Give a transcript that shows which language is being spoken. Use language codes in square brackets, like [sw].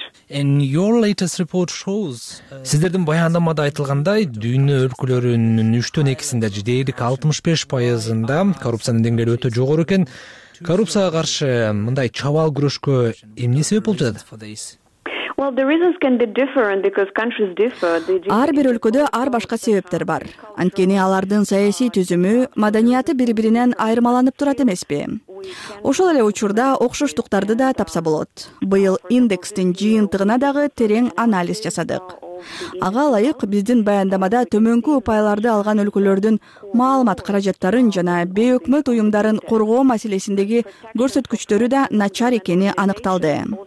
[en] In your latest report shows, [ky] сиздердин баяндамада айтылгандай, дүйнө өлкөлөрүнүн 3/2 дээрлик 65% коррупциянын деңгээли өтө жогору экен. Коррупцияга каршы мындай чабал күрөшкө эмне себеп болуп жатат? [en] Well, the reasons can be different because countries differ. [ky] Ар бир өлкөдө ар башка себептер бар. Анткени алардын саясий түзүмү, маданияты бири-биринен айырмаланып турат эмеспи? Ошол эле учурда окшоштуктарды да тапса болот. Быйыл индекстин жыйынтыгына дагы терең анализ жасадык. Ага ылайык, биздин баяндамада төмөнкү упайларды алган өлкөлөрдүн маалымат каражаттарын жана бейөкмөт уюмдарын коргоо маселесиндеги көрсөткүчтөрү да начар экени аныкталды.